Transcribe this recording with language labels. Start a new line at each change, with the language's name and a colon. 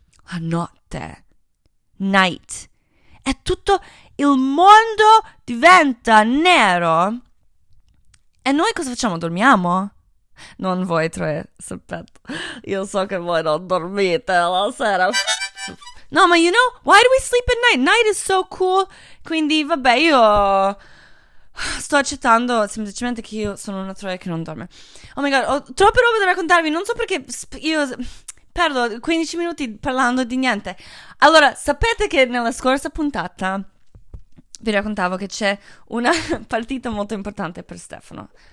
Italian: La notte, night, è tutto, il mondo diventa nero e noi cosa facciamo, dormiamo? Non voi tre, sapete, io so che voi non dormite la sera. No, ma
English: you know, why do we sleep at night? Night is so cool,
Italian: quindi vabbè, io sto accettando semplicemente che io sono una troia che non dorme.
English: Oh my god,
Italian: ho troppe robe da raccontarvi, non so perché io perdo 15 minuti parlando di niente. Allora, sapete che nella scorsa puntata vi raccontavo che c'è una partita molto importante per Stefano.